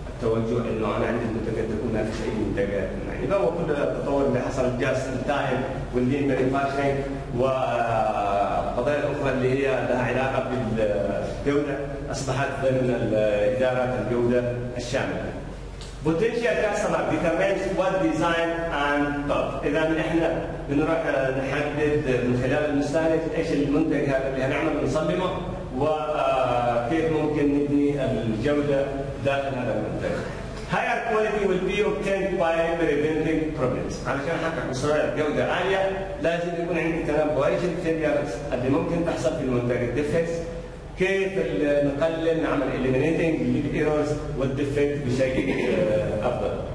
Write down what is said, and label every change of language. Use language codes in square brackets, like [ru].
[ar] التوجه انه انا عندي المنتجات تكون ما فيش اي منتجات يعني فهو كل التطور اللي حصل جاست ان تايم واللين مانيفاكشرنج وقضايا اخرى اللي هي لها علاقه بالجوده اصبحت ضمن ادارات الجوده الشامله. [en] Potential customer determines what design and top. [ar] اذا احنا بنروح نحدد من خلال المستهلك ايش المنتج هذا اللي هنعمل نصممه وكيف ممكن نبني الجوده داخل هذا المنتج. [en] Higher quality will be obtained by preventing problems. [ar] علشان احقق مستوى جوده عاليه لازم يكون عندي تنبؤ ايش الفيلرز اللي ممكن تحصل في المنتج الديفكتس. كيف نقلل نعمل [en] eliminating the errors [ar] والديفكت بشكل افضل.